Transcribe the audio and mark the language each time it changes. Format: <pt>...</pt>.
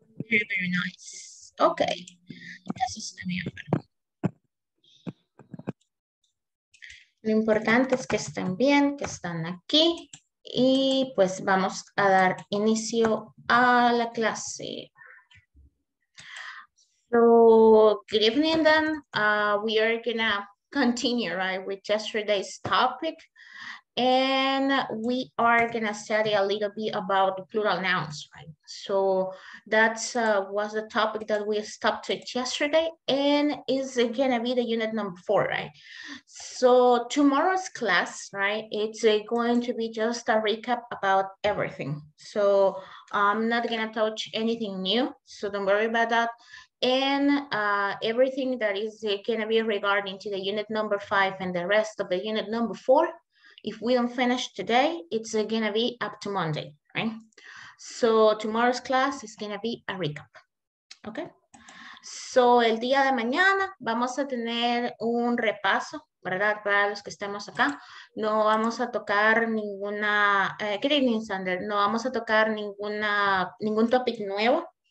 <en>Nice.</en> <es>Ok. Eso está bien. Lo importante es que estén bien, que están aquí. Y pues vamos a dar inicio a la clase.</es> <en>So, good evening then. We are gonna continue, right, with yesterday's topic. And we are gonna study a little bit about plural nouns, right? So that's was the topic that we stopped at yesterday, and is gonna be the unit number 4, right? So tomorrow's class, right, it's going to be just a recap about everything. So I'm not gonna touch anything new, so don't worry about that. And everything that is gonna be regarding to the unit number 5 and the rest of the unit number 4, if we don't finish today, it's gonna be up to Monday, right? So tomorrow's class is gonna be a recap, okay?</en> <es>So el día de mañana vamos a tener un repaso, ¿verdad? Para los que estemos acá, no vamos a tocar ninguna,</es> <en>good evening,</en> <es>Sander, no vamos a tocar ningún topic nuevo.</es>